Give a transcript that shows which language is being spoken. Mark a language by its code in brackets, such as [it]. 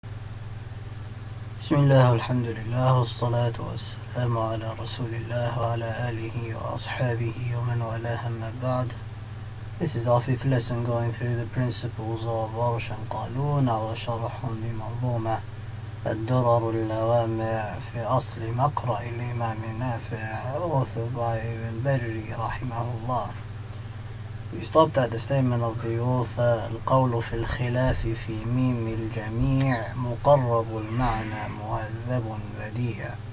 [ar] بسم الله والحمد لله والصلاة والسلام على رسول الله وعلى آله وأصحابه ومن والاه أما بعد. [en] This is our fifth lesson going through the principles of Warsh and Qalun. [ar] على شرح لمنظومة الدرر اللوامع في أصل مقرأ الإمام نافع [en] authored by Ibn Berri [ar] رحمه الله. [en] We stopped at the statement of the author, [ar] القول في الخلاف في ميم الجميع مقرب المعنى مهذب بديع.